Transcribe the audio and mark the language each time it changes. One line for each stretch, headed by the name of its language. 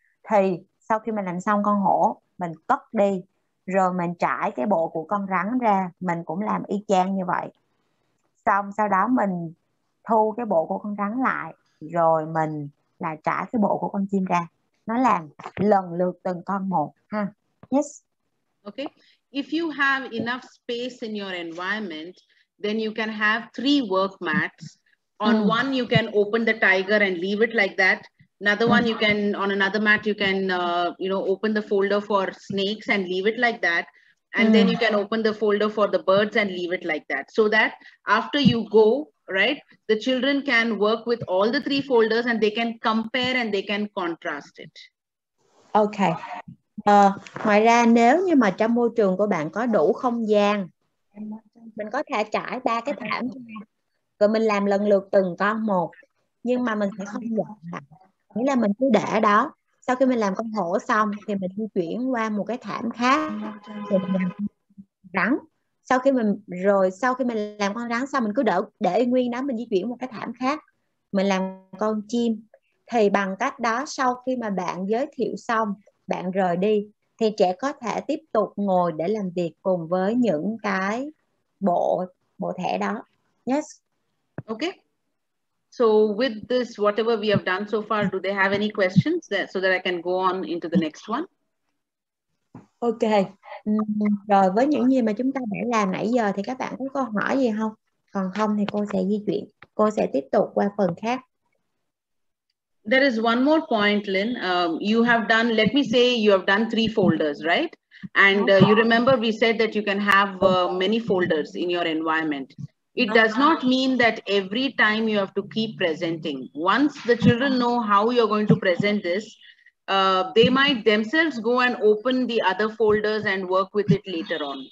Vietnamese: Thì sau khi mình làm xong con hổ, mình cất đi, rồi mình trải cái bộ của con rắn ra, mình cũng làm y chang như vậy. Xong sau đó mình thu cái bộ của con rắn lại, rồi mình lại trải cái bộ của con chim ra. Nó làm lần lượt từng con một ha.
English: Yes. Okay. If you have enough space in your environment, then you can have three work mats. On one, you can open the tiger and leave it like that. Another one, you can, on another mat, you can, you know, open the folder for snakes and leave it like that. And then you can open the folder for the birds and leave it like that. So that after you go, right, the children can work with all the three folders and they can compare and they can contrast it. Okay.
Vietnamese: Ngoài ra nếu như mà trong môi trường của bạn có đủ không gian, mình có thể trải ba cái thảm rồi mình làm lần lượt từng con một, nhưng mà mình sẽ không dọn lại, nghĩa là mình cứ để đó. Sau khi mình làm con hổ xong thì mình di chuyển qua một cái thảm khác thì mình làm rắn. Sau khi mình rồi sau khi mình làm con rắn xong, mình cứ để nguyên đó, mình di chuyển một cái thảm khác, mình làm con chim. Thì bằng cách đó, sau khi mà bạn giới thiệu xong, bạn rời đi, thì trẻ có thể tiếp tục ngồi để làm việc cùng với những cái bộ thẻ đó.
English: Yes. Okay. So with this, whatever we have done so far, do they have any questions that, so that I can go on into the next one? Okay.
Vietnamese: Rồi với những gì mà chúng ta đã làm nãy giờ thì các bạn có câu hỏi gì không? Còn không thì cô sẽ di chuyển. Cô sẽ tiếp tục qua phần khác.
English: There is one more point, Lynn. You have done, let me say, you have done three folders, right? And you remember we said that you can have many folders in your environment. It does not mean that every time you have to keep presenting. Once the children know how you're going to present this, they might themselves go and open the other folders and work with it later on.